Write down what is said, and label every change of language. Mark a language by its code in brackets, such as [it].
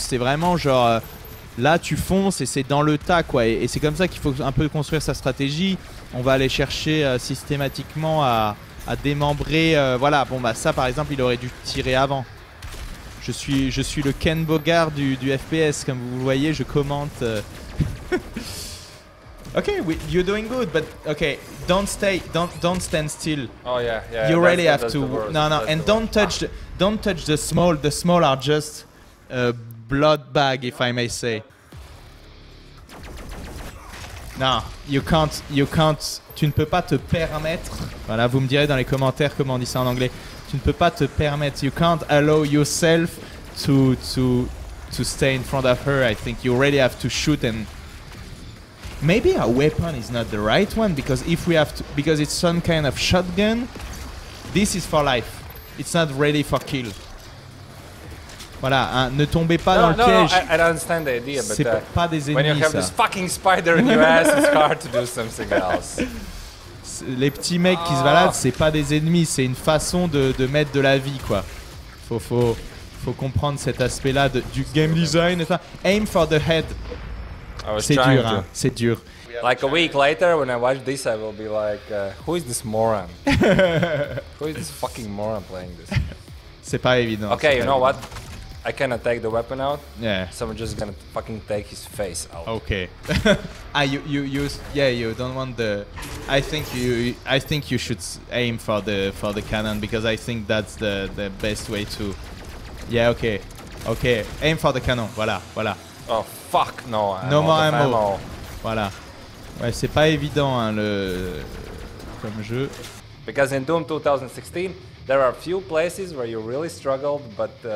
[fr] C'est vraiment genre, là, tu fonces et c'est dans le tas, quoi. Et c'est comme ça qu'il faut un peu construire sa stratégie. On va aller chercher systématiquement à démembrer. Voilà, bon, bah ça, par exemple, il aurait dû tirer avant. Je suis le Ken Bogard du FPS, comme vous voyez, je commente. [en] Okay, you're doing good, but okay, don't stand still. Oh yeah, yeah. You really have to. Don't touch the small. The small are just a blood bag, if I may say. No, you can't. [fr] Tu ne peux pas te permettre. Voilà, vous me direz dans les commentaires comment on dit ça en anglais. Tu ne peux pas te permettre. [en] You can't allow yourself to stay in front of her. I think you really have to shoot. And maybe a weapon is not the right one, because if we have to, because it's some kind of shotgun, this is for life. It's not ready for kill. [fr] Voilà, hein, ne tombez pas dans le piège. [en] No, I don't understand the idea, but [fr] c'est pas des ennemis, [en] when you have [fr] ça. [en] This fucking spider in your ass, it's hard to do something else. [fr] Les petits mecs qui se baladent, c'est pas des ennemis, c'est une façon de mettre de la vie, quoi. Faut comprendre cet aspect-là du game design. [en] Aim for the head. [fr] C'est dur, hein. C'est dur. [en] Like a week later, when I watch this, I will be like, who is this moron? Who is this fucking moron playing this? [fr] C'est pas évident. [en] Okay, you know what? I cannot take the weapon out. Yeah. So I'm just gonna fucking take his face out. Okay. you don't want the. I think you should aim for the cannon, because I think that's the best way to. Yeah. Okay. Okay. Aim for the cannon. Voilà. Oh fuck no. No more ammo. Ammo. [fr] Voilà. Ouais, c'est pas évident, hein, le comme jeu. [en] Because in Doom 2016, there are a few places where you really struggled, but.